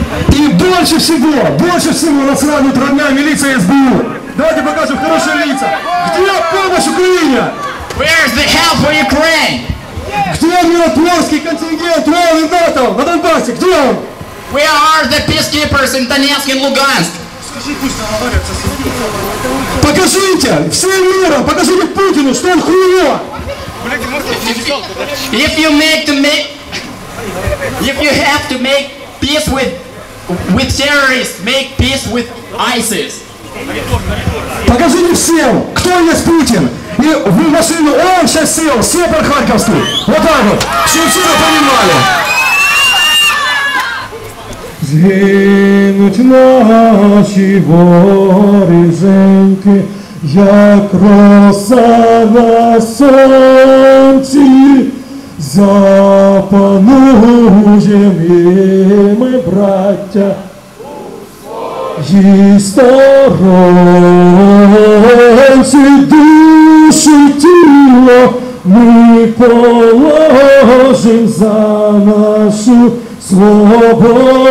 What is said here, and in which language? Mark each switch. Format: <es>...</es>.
<ru>И больше всего, нас сравнивают родня, милиция, СБУ. Давайте покажем хорошие лица. Где помощь Украине?</ru> <en>Where's the help for Ukraine?</en> <ru>Где миротворческий контингент Роллинатов на Донбассе? Где он?</ru> <en>We are the peacekeepers in Donetsk and Lugansk.</en> <ru>Покажите всем миром, покажите Путину, что он хуйло.</ru> <en>If you make to make, if you have to make peace with terrorists, make peace with ISIS.</en> <ru>Покажите всем, кто есть Путин. И в машину он сейчас сел, все про Харьковский. Вот так вот, чтобы все это понимали.</ru> <uk>Зінуть наші горизонти, як роса на сонці. Запануєм і ми, браття, історонці, душу, тіло ми положим за нашу свободу</uk>